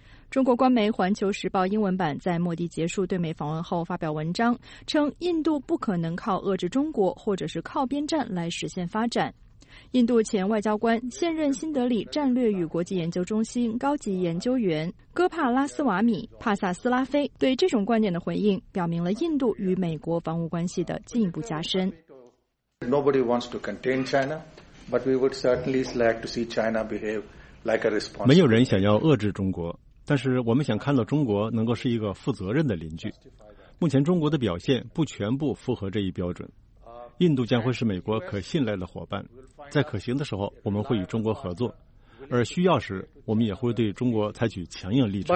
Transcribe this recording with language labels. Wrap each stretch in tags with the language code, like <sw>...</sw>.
<zh>中国官媒《环球时报》英文版在莫迪结束对美访问后发表文章，称印度不可能靠遏制中国或者是靠边站来实现发展。印度前外交官、现任新德里战略与国际研究中心高级研究员戈帕拉斯瓦米·帕萨斯拉菲对这种观点的回应，表明了印度与美国防务关系的进一步加深。</zh> <en>Nobody wants to contain China, but we would certainly like to see China behave like a responsible.</en> <zh>没有人想要遏制中国，但是我们想看到中国能够是一个负责任的邻居。目前中国的表现不全部符合这一标准。印度将会是美国可信赖的伙伴，在可行的时候，我们会与中国合作。而需要时我们也会对中国采取强硬立场。</zh>